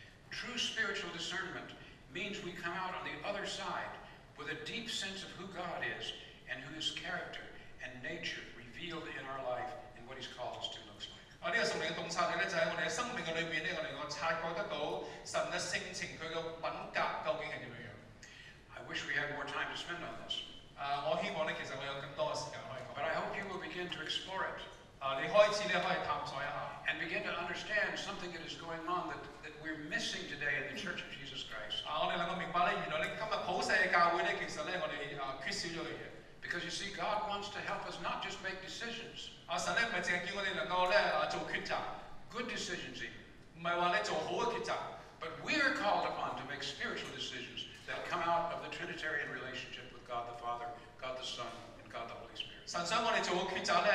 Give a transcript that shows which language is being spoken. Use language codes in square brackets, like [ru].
[en] True spiritual discernment means we come out on the other side with a deep sense of who God is and who His character and nature revealed in our life and what He's called us to looks like. [yue] 这个属灵的洞察呢，就系我哋喺生命嘅里边呢，我哋能够察觉得到神嘅性情，佢嘅品格究竟系点样样。 [en] I wish we had more time to spend on this. [yue] 我希望呢，其实我有更多嘅时间可以讲。 [en] But I hope you will begin to explore it. [yue] 你开始呢，可以探索一下。 [en] And begin to understand something that is going on that we're missing today in the Church of Jesus Christ. [yue] 我哋能够明白呢，原来呢今日普世嘅教会呢，其实呢，我哋缺少咗嘅嘢。 [en] Because you see, God wants to help us not just make decisions. [yue] 神咧唔系净系叫我哋能够咧做抉择， [en] good decisions even， [yue] 唔系话咧做好嘅抉择。 [en] But we are called upon to make spiritual decisions that come out of the Trinitarian relationship with God the Father, God the Son, and God the Holy Spirit.